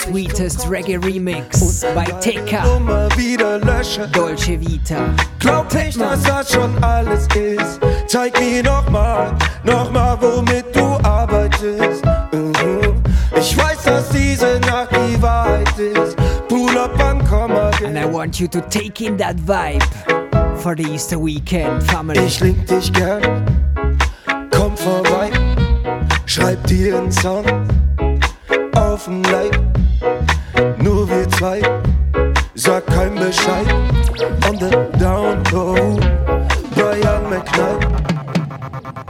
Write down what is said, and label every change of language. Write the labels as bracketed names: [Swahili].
[English] Sweetest Reggae Remix bei TK. [German] Nummer wieder lösche. [Italian] Dolce Vita. [German] Glaub nicht, dass das schon alles ist. Zeig mir nochmal, womit du arbeitest. Ich weiß, dass diese Nacht die Wahrheit ist. [English] Pull up [German] am Komma. [English] And I want you to take in that vibe for the Easter weekend, family. [German] Ich link dich gern, komm vorbei. Schreib dir einen Song auf'm Leib. Nur wir zwei, sag kein Bescheid. [English] On the down low, Brian McKnight.